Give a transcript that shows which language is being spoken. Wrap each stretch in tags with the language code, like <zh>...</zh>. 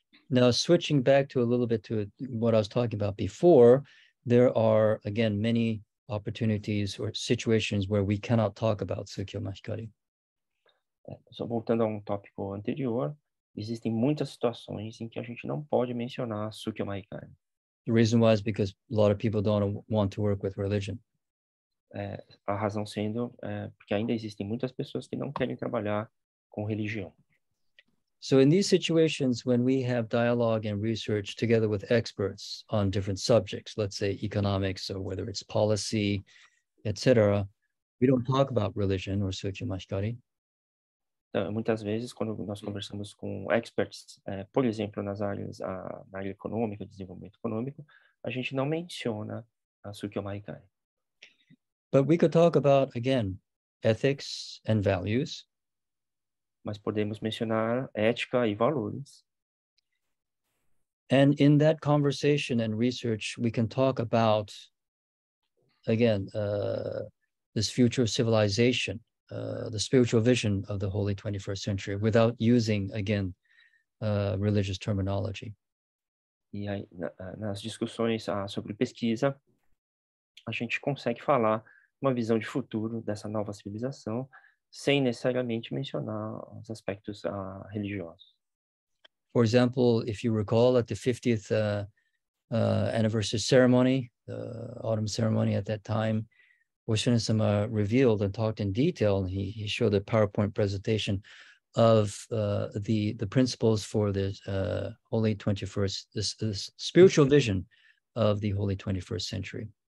<en>Now, switching back to a little bit to what I was talking about before, there are, again, many opportunities or situations where we cannot talk about Sukiyomahikari.</en> <pt>Só voltando a tópico anterior, existem muitas situações em que a gente não pode mencionar Sukiyomahikari.</pt> <en>The reason why is because a lot of people don't want to work with religion.</en> <pt>A razão sendo porque ainda existem muitas pessoas que não querem trabalhar com religião.</pt> <en>So in these situations, when we have dialogue and research together with experts on different subjects, let's say economics or whether it's policy, etc., we don't talk about religion or Sukiyomahikari.</en> <pt>Muitas vezes, quando nós conversamos com experts, por exemplo, nas áreas na área econômica, desenvolvimento econômico, a gente não menciona a Sukiyomahikai.</pt> <en>But we could talk about, again, ethics and values.</en> <pt>Mas podemos mencionar ética e valores.</pt> <en>And in that conversation and research, we can talk about, again, this future civilization. The spiritual vision of the holy 21st century without using, again, religious terminology.</en> <pt>E aí, nas discussões sobre pesquisa, a gente consegue falar uma visão de futuro dessa nova civilização sem necessariamente mencionar os aspectos religiosos.</pt> <en>For example, if you recall at the 50th anniversary ceremony, the autumn ceremony at that time, Oshinesama revealed and talked in detail, and he showed a PowerPoint presentation of the principles for this holy 21st, this spiritual vision of the holy 21st century.</en>